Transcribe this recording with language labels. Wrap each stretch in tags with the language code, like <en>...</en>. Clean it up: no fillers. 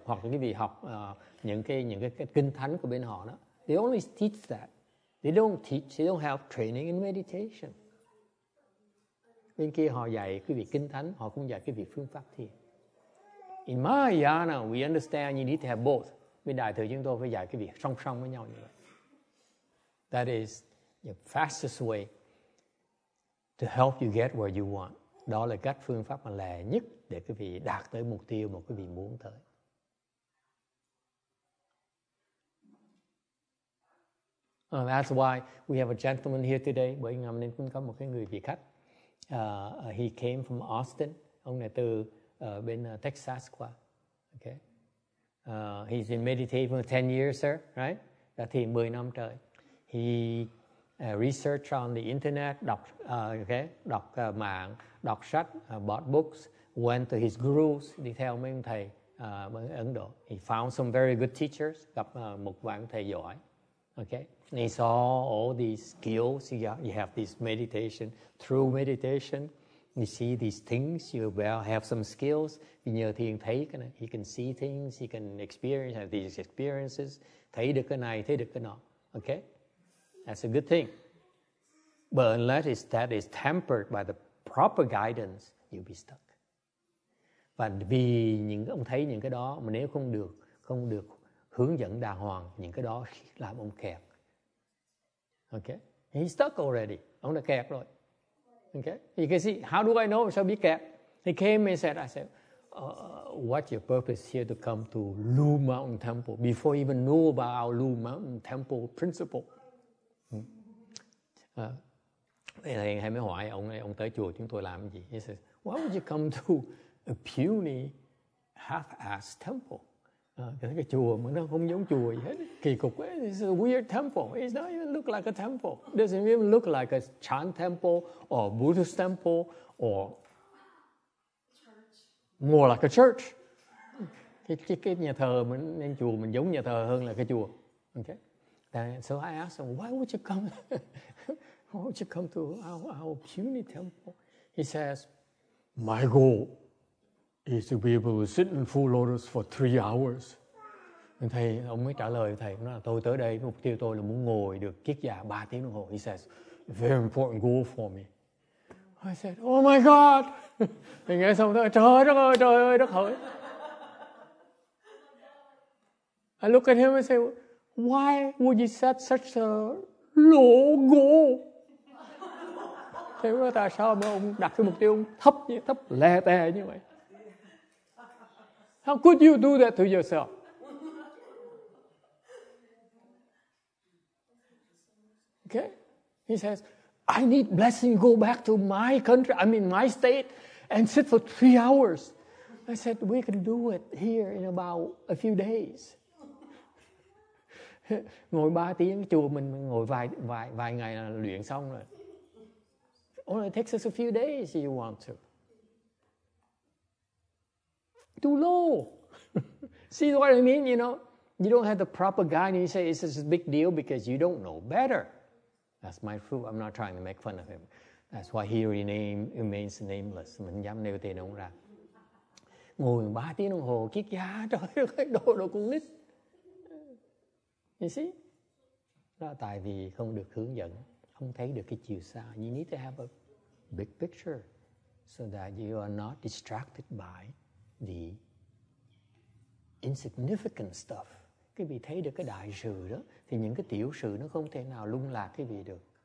<vi>Hoặc quý vị học những cái kinh thánh của bên họ đó.</vi> <en>They only teach that. They don't teach. They don't have training in meditation.</en> <vi>Bên kia họ dạy quý vị kinh thánh, họ cũng dạy quý vị phương pháp thiền.</vi> <en>In Mahayana, we understand you need to have both.</en> <vi>Bên Đại Thừa chúng tôi phải dạy quý vị song song với nhau như vậy.</vi> <en>That is the fastest way to help you get where you want.</en> <vi>Đó là cách phương pháp mà lẹ nhất để quý vị đạt tới mục tiêu mà quý vị muốn tới.</vi> <en>That's why we have a gentleman here today.</en> <vi>Bởi ngày hôm nay cũng có một cái người vị khách.</vi> <en>He came from Austin.</en> <vi>Ông này từ bên Texas qua. Okay.</vi> <en>He's been meditating for 10 years, sir. Right?</en> <vi>Đã thiền 10 năm trời.</vi> <en>He researched on the internet,</en> <vi>đọc mạng, đọc sách,</vi> <en>bought books, went to his gurus,</en> <vi>đi theo mấy ông thầy ở Ấn Độ.</vi> <en>He found some very good teachers,</en> <vi>gặp một vài thầy giỏi.</vi> <en>Okay. And he saw all these skills. You have this meditation. Through meditation, you see these things. You well have some skills.</en> <vi>Nhờ thiền thấy cái này,</vi> <en>he can see things. He can experience, have these experiences.</en> <vi>Thấy được cái này, thấy được cái nọ.</vi> <en>Okay? That's a good thing. But unless that is tempered by the proper guidance, you'll be stuck.</en> <vi>Và vì những ông thấy những cái đó, mà nếu không được hướng dẫn đàng hoàng, những cái đó làm ông kẹt.</vi> <en>Okay, he's stuck already.</en> <vi>Ông đã kẹt rồi.</vi> <en>Okay, you can see. How do I know? Shall be kẹt. He came and said, "I said, what's your purpose here to come to Lu Mountain Temple before you even know about our Lu Mountain Temple principle?"</en> <vi>Thầy hay mới hỏi ông tới chùa chúng tôi làm gì?</vi> <en>He says, "Why would you come to a puny, half-assed temple?"</en> <vi>Cái chùa mà nó không giống chùa gì hết. Kỳ cục quá.</vi> <en>It's a weird temple. It doesn't even look like a temple. It doesn't even look like a Chan temple or a Buddhist temple or more like a church.</en> <vi>Cái nhà thờ, mà chùa mình giống nhà thờ hơn là cái chùa. Okay.</vi> <en>Then, so I asked him, why would you come? Why would you come to our puny temple? He says, my goal is to be able to sit in full lotus for 3 hours.</en> <vi>And thầy, ông mới trả lời thầy, nói là tôi tới đây, mục tiêu tôi là muốn ngồi được kiết già 3 tiếng đồng hồ.</vi> <en>He says, very important goal for me. I said, oh my God.</en> <vi>Thì nghe xong tôi, trời ơi, đất hỡi.</vi> <en>I look at him and say, why would you set such a low goal?</en> <vi>Thế tại sao mà ông đặt cái mục tiêu thấp như thấp lè tè như vậy?</vi> <en>How could you do that to yourself? Okay? He says, I need blessing, go back to my country, I mean my state, and sit for 3 hours. I said, we can do it here in about a few days.</en> <vi>Ngồi 3 tiếng, chùa mình ngồi vài ngày là luyện xong rồi.</vi> <en>Only takes us a few days if you want to. Too low. See what I mean? You know, you don't have the proper guide, and you say it's a big deal because you don't know better. That's my fruit. I'm not trying to make fun of him. That's why he remains nameless.</en> <vi>Mình dám nêu tên ông ra. Ngồi 3 tiếng đồng hồ, kiết giá, trời ơi, đồ con nít.</vi> <en>You see?</en> <vi>Đó là tại vì không được hướng dẫn, không thấy được cái chiều xa.</vi> <en>You need to have a big picture so that you are not distracted by the insignificant stuff.</en> <vi>Cái vị thấy được cái đại sự đó, thì những cái tiểu sự nó không thể nào lung lạc cái vị được.</vi>